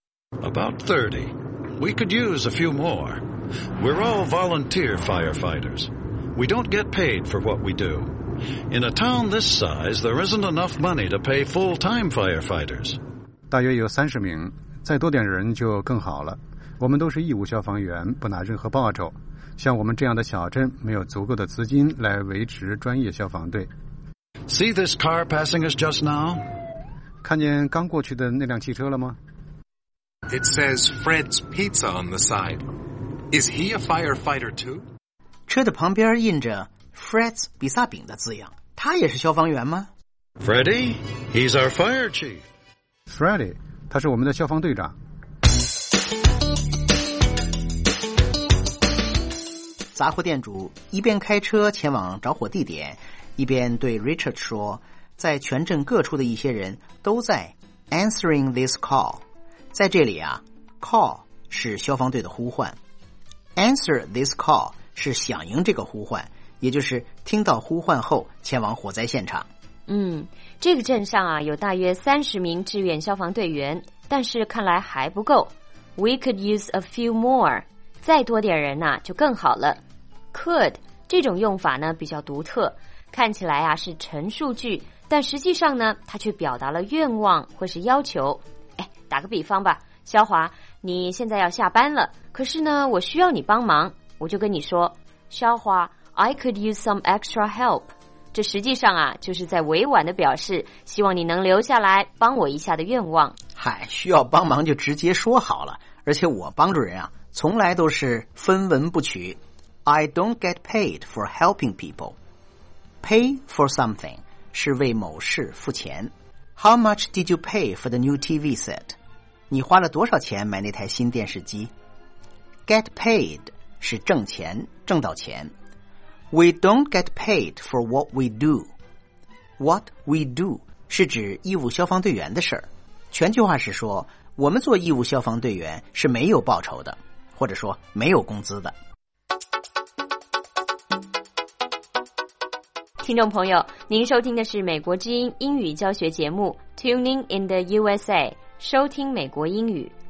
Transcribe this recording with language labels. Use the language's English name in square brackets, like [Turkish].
[English] About 30. We could use a few more. We're all volunteer firefighters. We don't get paid for what we do. In a town this size, there isn't enough money to pay full-time firefighters. [Chinese] 大约有30名，再多点人就更好了。我们都是义务消防员，不拿任何报酬。像我们这样的小镇，没有足够的资金来维持专业消防队。 [English] See this car passing us just now? [Chinese] 看见刚过去的那辆汽车了吗？ [English] It says Fred's Pizza on the side. Is he a firefighter too? [Chinese] 车的旁边印着 Fred's 比萨饼的字样，他也是消防员吗？ [English] Freddy, he's our fire chief. [Chinese] Freddy. 他是我们的消防队长。杂货店主一边开车前往着火地点，一边对 Richard 说，在全镇各处的一些人都在 [English] answering this call。 [Chinese] 在这里啊， call 是消防队的呼唤， answer this call 是响应这个呼唤，也就是听到呼唤后前往火灾现场。嗯，这个镇上啊有大约30名志愿消防队员，但是看来还不够。 [English] We could use a few more, [Chinese] 再多点人啊就更好了。 Could 这种用法呢比较独特，看起来啊是陈述句，但实际上呢它却表达了愿望或是要求。哎，打个比方吧，萧华，你现在要下班了，可是呢我需要你帮忙，我就跟你说，萧华， [English] I could use some extra help。 [Chinese] 这实际上啊，就是在委婉地表示希望你能留下来帮我一下的愿望。嗨，需要帮忙就直接说好了，而且我帮助人啊，从来都是分文不取。 [English] I don't get paid for helping people. Pay for something [Chinese] 是为某事付钱。 [English] How much did you pay for the new TV set? [Chinese] 你花了多少钱买那台新电视机？Get paid 是挣钱，挣到钱。 [English] We don't get paid for what we do. [Chinese] What we do 是指义务消防队员的事儿。全句话是说，我们做义务消防队员是没有报酬的，或者说没有工资的。听众朋友，您收听的是美国之音英语教学节目 Tuning in the USA， 收听美国英语。